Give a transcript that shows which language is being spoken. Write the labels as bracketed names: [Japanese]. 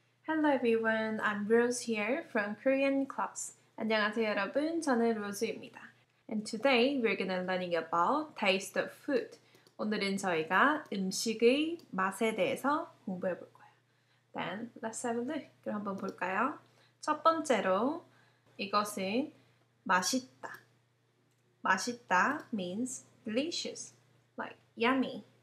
[English] Hello everyone, I'm Rose here from Korean Clubs. [Korean] 안녕하세요 여러분, 저는 로즈입니다. [English] And today we're gonna learning about taste of food. [Korean] 오늘은 저희가 음식의 맛에 대해서 공부해 볼 거예요. [English] Then let's have a look. [Korean] 그럼 한번 볼까요? 첫 번째로 이것은 맛있다. [English] 맛있다 means delicious, like yummy.